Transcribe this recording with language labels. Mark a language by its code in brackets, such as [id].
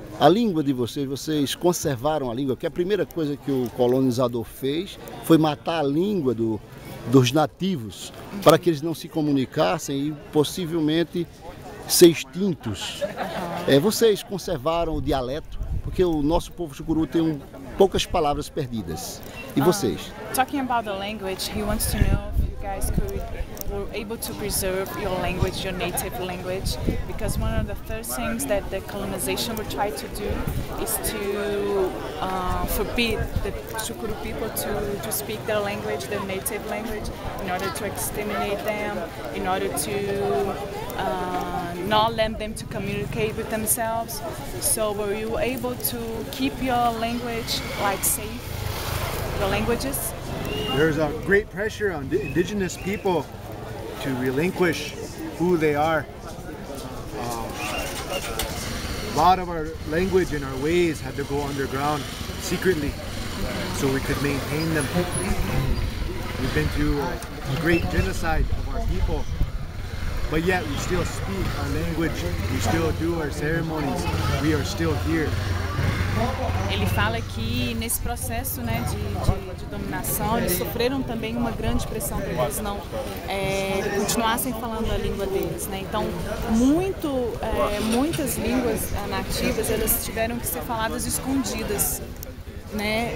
[pt] A língua de vocês conservaram a língua, porque a primeira coisa que o colonizador fez foi matar a língua dos nativos para que eles não se comunicassem e possivelmente ser extintos. Vocês conservaram o dialeto, porque o nosso povo Xucuru tem poucas palavras perdidas. E vocês? [en] Talking about the language, he wants to know if you guys were able to preserve your language, your native language, because one of the first things that the colonization would try to do is to forbid the Xucuru people to speak their language, their native language, in order to exterminate them, in order to not let them to communicate with themselves. So were you able to keep your language like safe, your languages? There's a great pressure on the indigenous people to relinquish who they are. A lot of our language and our ways had to go underground secretly so we could maintain them. We've been through a great genocide of our people, but yet we still speak our language, we still do our ceremonies, we are still here. [pt] Ele fala que nesse processo, né, de dominação, eles sofreram também uma grande pressão para eles não continuassem falando a língua deles, né? Então, muitas línguas nativas, elas tiveram que ser faladas escondidas, né?